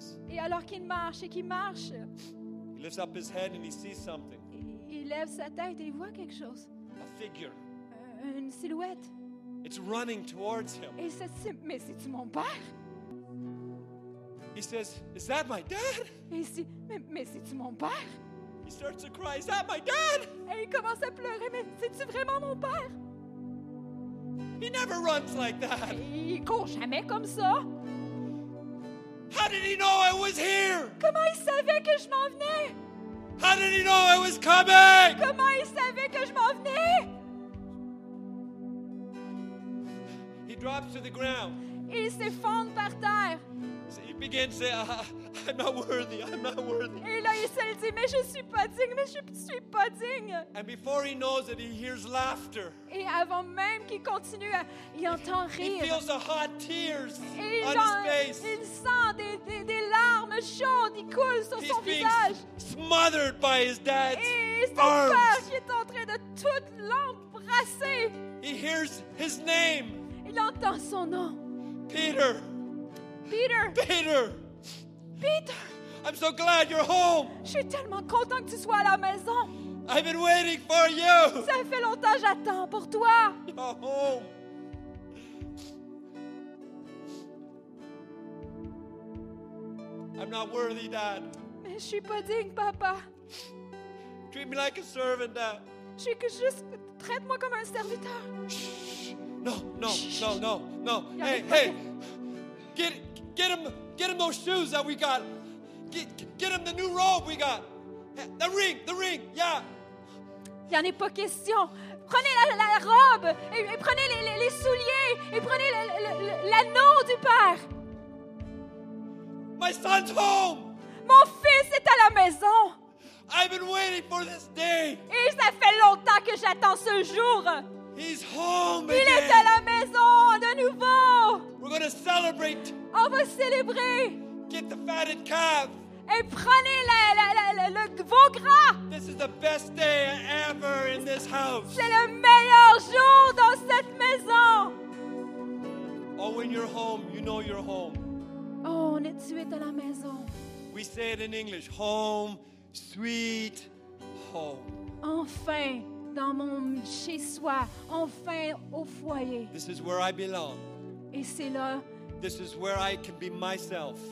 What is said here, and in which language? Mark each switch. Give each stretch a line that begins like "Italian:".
French: Et alors qu'il marche et qu'il marche.
English: He lifts up his head and he sees something.
French: Il lève sa tête et il voit quelque chose.
English: A figure.
French: Une silhouette.
English: It's running towards him.
French: Et ça, mais c'est-tu mon père?
English: He says, "Is that my dad?"
French: Et si, mais c'est-tu mon père?
English: He starts to cry, "Is that my dad?"
French: Et il commence à pleurer, mais c'est-tu vraiment mon père?
English: He never runs like that.
French: Et il court jamais comme ça.
English: How did he know I was here?
French: Comment il savait que je m'en venais?
English: How did he know I was coming?
French: Comment il savait que je m'en venais?
English: He drops to the ground.
French: Il s'effondre par terre.
English: He begins to say, I'm not worthy.
French: Et là, il se dit, mais je suis pas digne, mais je suis pas digne.
English: And before he knows it, he hears laughter.
French: Et avant même qu'il continue, il entend rire.
English: He feels the hot tears
French: Et
English: on his face.
French: Il sent des larmes chaudes, il coule sur
English: He's
French: son visage.
English: Smothered by his dad's
French: Et son
English: arms.
French: Père qui est en train de toute l'embrasser.
English: He hears his name.
French: Il entend son nom.
English: Peter.
French: Peter.
English: Peter.
French: Peter.
English: I'm so glad you're home.
French: Je suis tellement content que tu sois à la maison.
English: I've been waiting for you.
French: Ça fait longtemps que j'attends pour toi.
English: You're home. I'm not worthy, Dad.
French: Mais je suis pas digne, papa.
English: Treat me like a servant, Dad.
French: Je suis juste traite-moi comme un serviteur.
English: No. Hey. Get him those shoes that we got. Get him the new robe we got. The ring. Yeah.
French: Il n'y en est pas question. Prenez la robe et prenez les souliers et prenez l'anneau du père.
English: My son's home.
French: Mon fils est à la maison.
English: I've been waiting for this day.
French: Et ça fait longtemps que j'attends ce jour.
English: He's home again.
French: Il est à la maison de nouveau.
English: We're going to celebrate.
French: On va célébrer.
English: Get the fatted calf.
French: Et prenez le veau gras.
English: This is the best day ever in this house.
French: C'est le meilleur jour dans cette maison.
English: Oh, when you're home, you know you're home.
French: Oh, on est tué à la maison.
English: We say it in English, home, sweet home.
French: Enfin. Dans mon chez-soi, enfin au foyer.
English: This is where I belong.
French: Et c'est là.
English: This is where I can be myself.